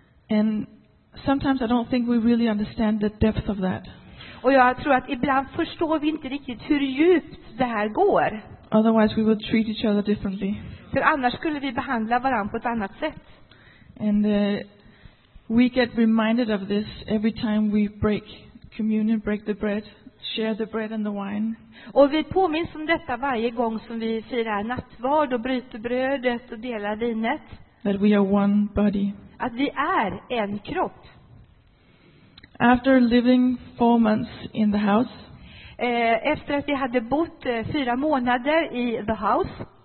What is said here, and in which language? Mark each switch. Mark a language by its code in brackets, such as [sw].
[en] And sometimes I don't think we really understand the depth of that. [sv] Och jag tror att ibland förstår vi inte riktigt hur djupt det här går. [en] Otherwise we would treat each other differently. [sv] För annars skulle vi behandla varandra på ett annat sätt. [en] And we get reminded of this every time we break communion, break the bread, share the bread and the wine. [sv] Och vi påminns om detta varje gång som vi firar nattvard och bryter brödet och delar vinet. [en] That we are one body. [sv] Att vi är en kropp. [en] After living 4 months in the house. [sv] Efter att vi hade bott 4 månader i the house.